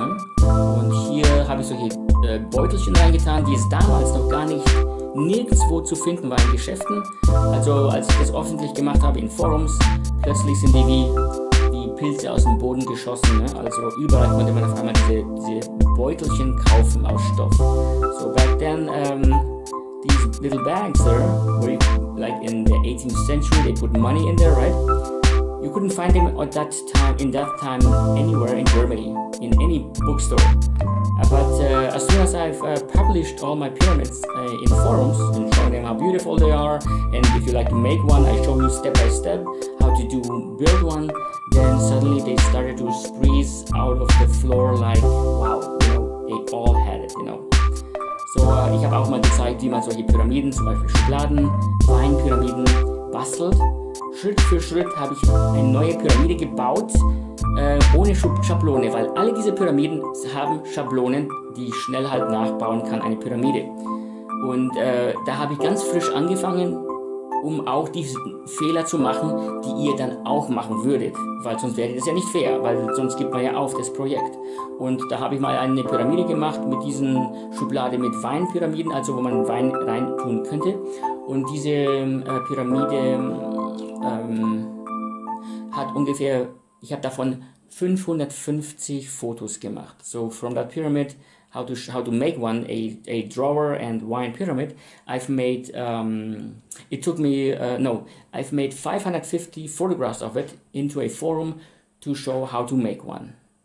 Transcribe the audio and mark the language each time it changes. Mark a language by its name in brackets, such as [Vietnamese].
[German] Und hier habe ich solche Beutelchen reingetan, die es damals noch gar nicht nirgendwo zu finden war in Geschäften. Also, als ich das öffentlich gemacht habe in Forums, plötzlich sind die wie Pilze aus dem Boden geschossen, ne? Also überall konnte man auf einmal diese Beutelchen kaufen aus Stoff. [English] So back then, these little bags there, where you, like in the 18th century, they put money in there, right? You couldn't find them at that time, in that time, anywhere in Germany, in any bookstore. But as soon as I've published all my pyramids in forums and showing them how beautiful they are, and if you like to make one, I show you step by step how to do build one, then suddenly they started to squeeze out of the floor like, wow, you know, they all had it, you know. [German] So ich habe auch mal gezeigt, wie man solche Pyramiden, zum Beispiel Schubladen, Feinpyramiden, bastelt. Schritt für Schritt habe ich eine neue Pyramide gebaut, ohne Schablone, weil alle diese Pyramiden haben Schablonen, die ich schnell halt nachbauen kann, eine Pyramide. Und da habe ich ganz frisch angefangen, um auch die Fehler zu machen, die ihr dann auch machen würdet. Weil sonst wäre das ja nicht fair, weil sonst gibt man ja auf das Projekt. Und da habe ich mal eine Pyramide gemacht mit diesen Schubladen mit Weinpyramiden, also wo man Wein reintun könnte. Und diese Pyramide hat ungefähr, ich habe davon 550 Fotos gemacht. [English] So from that pyramid, how to make one, a drawer and wine pyramid, I've made, it took me, no, I've made 550 photographs of it into a forum to show how to make one.